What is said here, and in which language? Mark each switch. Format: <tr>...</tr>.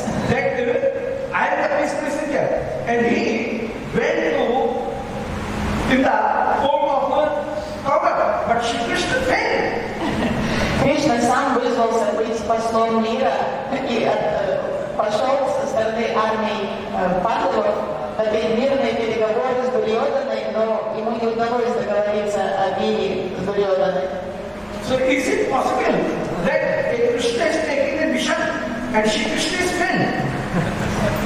<en>That I am the peace messenger, and he went to in the form of a cover, but Shri Krishna failed.</en> <ru>Krishna сам вызвался быть послом мира и пошел со стороны армии Пандавов на мирные переговоры с Дурьотаной, но ему не удалось договориться о мире с Дурьотаной.</ru> <en>So is it possible that Krishna is taking a mission and Shri Krishna is failed?</en>